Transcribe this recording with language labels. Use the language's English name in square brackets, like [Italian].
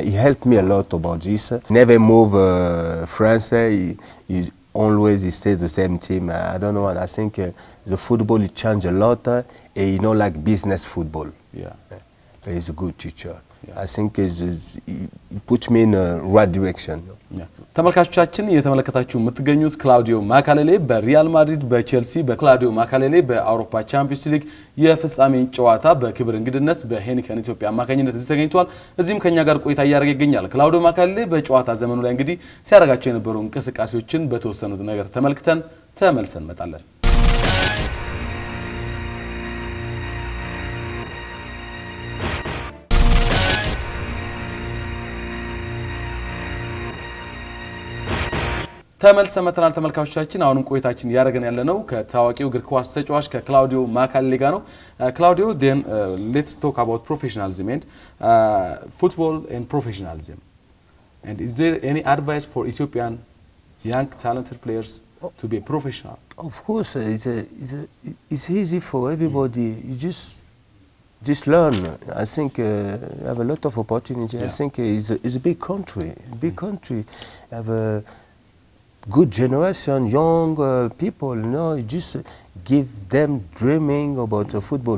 [English] He helped me a lot about this. Never move France. He always stays the same team. I don't know. I think the football changed a lot. And he not like business football. Yeah, but he's a good teacher. Yeah. I think he put me in the right direction. Yeah. [Amharic] ተመልካቾቻችን የተመለከታችሁ የምትገኙት ክላውዲዮ ማካሌሌ በሪያል ማድሪድ በቼልሲ በክላውዲዮ ማካሌሌ በአውሮፓ ቻምፒየንስ ሊግ የፍጻሜን ጨዋታ በክብር እንግድነት በሄንከን ኢትዮጵያ አማካኝነት እዚህ ተገኝቷል። እዚህም ከኛ ጋር ቆይታ ያደረገ ይገኛል። ክላውዲዮ ማካሌሌ በጨዋታ ዘመኑ ላይ እንግዲህ ሲያረጋቸው የነበሩ እንቅስቃሴዎችን በተወሰኑት ነገር ተመልክተን ተመልሰን መጣለን። ተመልሰመተናል ተመልካቾቻችን አሁንም ቆይታችን ያረጋን ያለነው ከታዋቂው እግር ኳስ ተጫዋች ከክላውዲዮ ማካሌሌ ጋር ነው። ክላውዲዮ [English] then let's talk about professionalism and football and professionalism. And is there any advice for Ethiopian young talented players to be professional? Of course it's easy for everybody. You just learn. I think you have a lot of opportunity. Yeah. I think it's a big country. You have a good generation, young people, just give them dreaming about football.